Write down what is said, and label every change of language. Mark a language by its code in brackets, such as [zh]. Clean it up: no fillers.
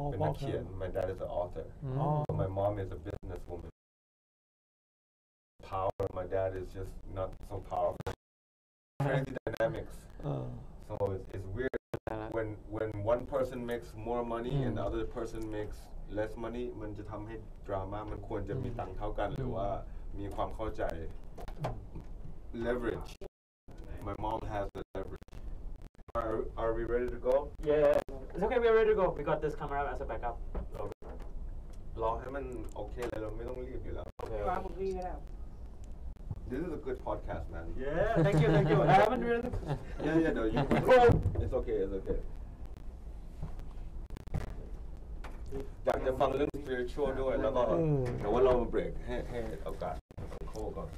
[th] เป็นนักเขียน [en] my dad is an author my mom is a business woman power my dad is just not so powerful crazy dynamics so it's weird when one person makes more money and the other person makes less money [th] มันจะทำให้ดราม่ามันควรจะมีตังค์เท่ากันหรือว่ามีความเข้าใจ [en] leverage my mom has the leverage are we ready to go yeah it's okay we're ready to go we got this camera as a backup [th] รอให้มันโอเคเลยเราไม่ต้องรีบอยู่แล้ว โอเคครับ ผมรีบแล้ว [en] this is a good podcast man yeah thank you thank you I haven't read the yeah yeah no you can... it's okay it's okay [th] อยากจะฟังเรื่อง spiritual ด้วยแล้วก็แต่ว่าเรามาเบรกให้โอกาสอังโคก่อน